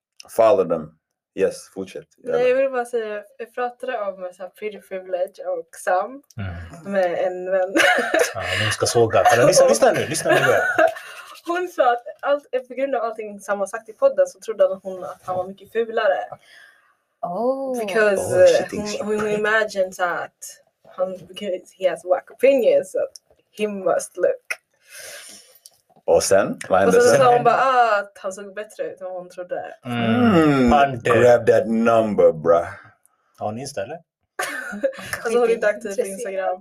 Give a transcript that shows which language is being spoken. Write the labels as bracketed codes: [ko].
[en] Follow them. Yes, [sv] fortsätt. Nej, jag vill bara säga, vi pratade om så här, pretty privilege och Sam med en vän. Ja, ni ska såga. Eller, lyssna nu. Hon sa att på grund av allting Sam har sagt i podden så trodde hon att han var mycket fulare. [en] Because [sv] hon [en] imagines [sv] att han, [en] because he has whack opinions, that he must look. [sv] Och sen? Och sen sa hon bara att han såg bättre ut än hon trodde. [en] Grab that number, bruh. [sv] Har ni istället? Alltså hon är inte aktiv på Instagram.